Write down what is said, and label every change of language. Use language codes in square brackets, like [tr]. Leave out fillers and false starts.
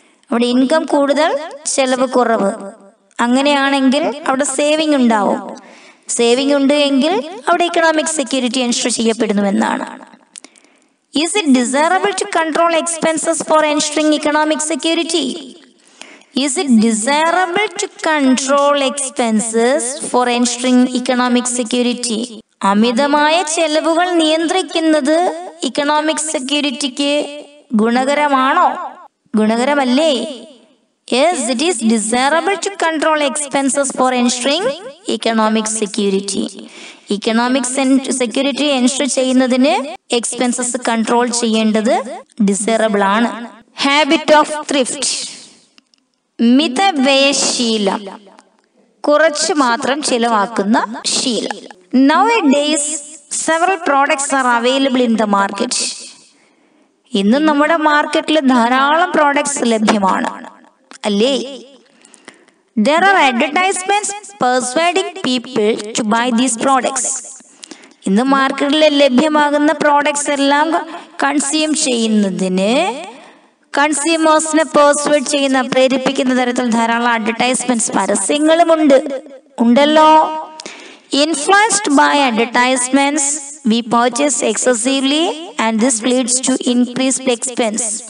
[ml] അവിടെ ഇൻകം കൂടുതൽ ചെലവ് കുറവ്. അങ്ങനെയാണെങ്കിൽ അവിടെ സേവിംഗ് ഉണ്ടാവും. സേവിംഗ് ഉണ്ട് എങ്കിൽ അവിടെ ഇക്കണോമിക് സെക്യൂരിറ്റി എൻഷുർ ചെയ്യപ്പെടുന്നു എന്നാണ്. [en] Is it desirable to control expenses for ensuring economic security? Is it desirable to control expenses for ensuring economic security? [ml] അമിതമായ ചെലവുകൾ നിയന്ത്രിക്കുന്നത് economic സെക്യൂരിറ്റിക്ക് ഗുണകരമാണോ? ഗുണകരമല്ലേ? [en] Yes, it is desirable to control expenses for ensuring economic security. [ml] Economic security ensure ചെയ്യുന്നതിന് expenses control ചെയ്യേണ്ടത് desirable ആണ്. [en] habit of thrift, [ml] മിതവ്യയശീലം, കുറച്ച് മാത്രം ചിലവാക്കുന്ന ശീലം. [en] Nowadays, several products are available in the market. [ml] ഇന്ന് നമ്മുടെ മാർക്കറ്റിൽ ധാരാളം പ്രോഡക്ട്സ് ലഭ്യമാണ് അല്ലേ? [en] There are advertisements persuading people to buy these products. [ml] ഇന്ന് മാർക്കറ്റിൽ ലഭ്യമാകുന്ന പ്രോഡക്ട്സ് എല്ലാം കൺസ്യൂം ചെയ്യുന്നതിന്, കൺസ്യൂമേഴ്സിനെ പേഴ്സ്വേഡ് ചെയ്യുന്ന, പ്രേരിപ്പിക്കുന്ന തരത്തിൽ ധാരാളം അഡ്വർടൈസ്മെന്റ്സ് പരസ്യങ്ങളും ഉണ്ടല്ലോ. [en] Influenced by advertisements we purchase excessively and this leads to increased expense.